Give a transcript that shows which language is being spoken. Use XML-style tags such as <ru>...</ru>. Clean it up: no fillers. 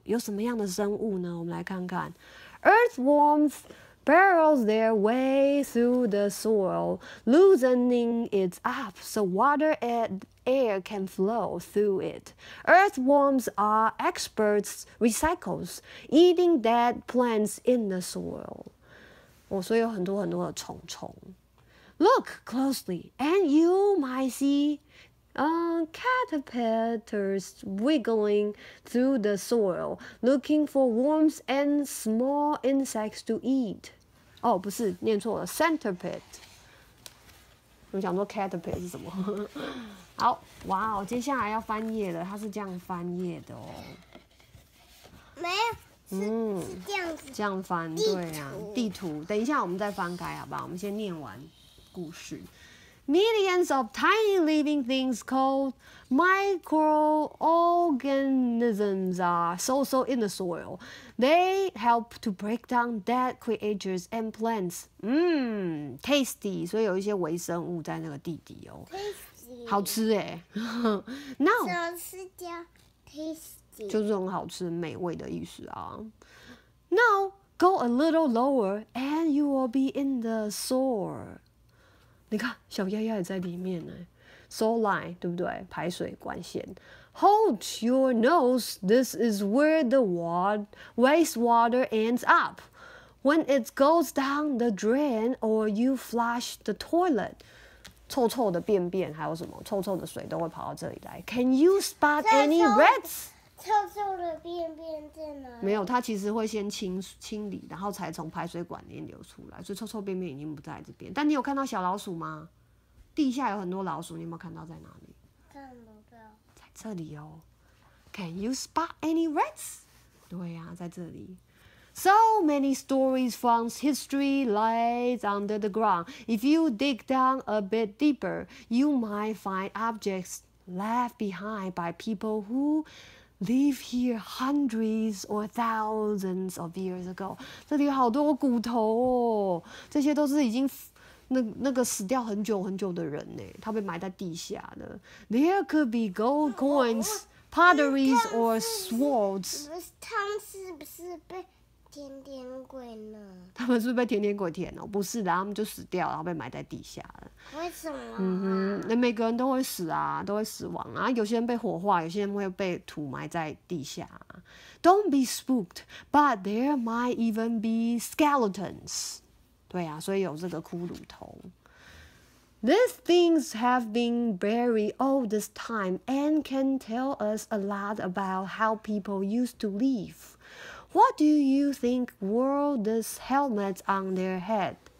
<zh>有什么样的生物呢？我们来看看。</zh> <en>Earthworms burrow their way through the soil, loosening it up so water and air can flow through it. Earthworms are expert recyclers, eating dead plants in the soil.</en> <zh>哦，所以有很多很多的虫虫。</zh> <en>Look closely, and you might see caterpillars wiggling through the soil, looking for worms and small insects to eat.</en> <zh>哦，不是，念错了 ，centipede。我想说 caterpillar 是什么？好，哇哦，接下来要翻页了，它是这样翻页的哦。没有，是这样子。这样翻，对啊，地图。等一下，我们再翻开好不好？我们先念完故事。</zh> <en>Millions of tiny living things called microorganisms are so in the soil. They help to break down dead creatures and plants. Tasty.</en> <zh>所以有一些微生物在那个地底哦。</zh> <en>Tasty.</en> <zh>好吃哎。 No. 好吃叫 tasty. 就是很好吃，美味的意思啊。</zh> <en>No. Go a little lower, and you will be in the soil.</en> <zh>你看，小鸭鸭也在里面呢。</zh> <en>Soil line，</en> <zh>对不对？排水管线。</zh> <en>Hold your nose. This is where the wastewater ends up. When it goes down the drain or you flush the toilet，</en> <zh>臭臭的便便还有什么臭臭的水都会跑到这里来。</zh> <en>Can you spot any rats？</en> <zh>臭臭的便便在哪？没有，它其实会先清理，然后才从排水管里面流出来，所以臭臭便便已经不在这边。但你有看到小老鼠吗？地下有很多老鼠，你有没有看到在哪里？看不到，在这里哦。</zh> <en>Can you spot any rats？</en> <zh>对呀、啊，在这里。</zh> <en>So many stories from history lies under the ground. If you dig down a bit deeper, you might find objects left behind by people who live here hundreds or thousands of years ago.</en> <zh>这里有好多骨头哦，这些都是已经那个死掉很久很久的人呢，他被埋在地下的。</zh> <en>There could be gold coins, pottery, or swords.</en> <zh>他们是不是被甜甜鬼呢？他们是不是被甜甜鬼甜哦？不是的，他们就死掉，然后被埋在地下了。为什么、啊？每个人都会死啊，都会死亡啊。有些人被火化，有些人会被土埋在地下。</zh> <en>Don't be spooked, but there might even be skeletons.</en> <zh>对啊，所以有这个骷髅头。</zh> <en>These things have been buried all this time and can tell us a lot about how people used to live. What do you think wore these helmets on their head?</en>